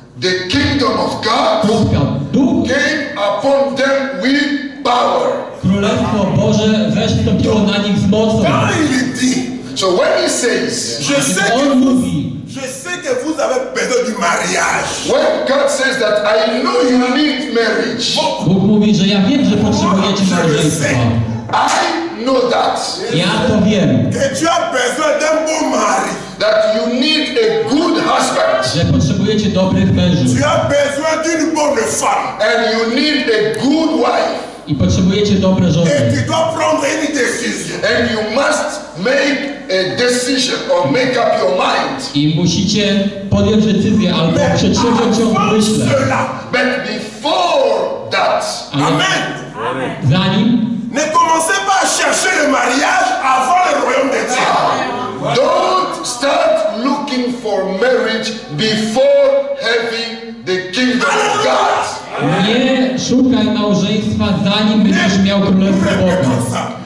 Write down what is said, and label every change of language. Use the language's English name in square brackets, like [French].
[English] The kingdom of God came upon them with power. [Polish] Królestwo Boże weszło na nich z mocą. [English] So when he says, [French] je sais que vous avez besoin du mariage. [English] When God says that I know you need marriage. [Polish] Bóg mówi, że ja wiem, że potrzebujecie małżeństwa. [English] I know that. [Polish] Ja to wiem. [French] Que tu as besoin d'un bon mari. [English] That you need a good husband. [Polish] Że potrzebujecie dobrych mężów. [French] Tu as besoin d'une bonne femme. [English] And you need a good wife. [Polish] I potrzebujecie dobre żony. [English] And you don't prompt any decision. And you must make a decision or make up your mind. I musicie podjąć decyzję albo przedsięwziąć ją w myśle. But before that. Amen. [Polish] Zanim. [French] Ne commencez pas à chercher le mariage avant le royaume de Dieu. [English] Don't start looking for marriage before having the kingdom of God. [Polish] Nie szukaj małżeństwa zanim będziesz miał królestwo Boga.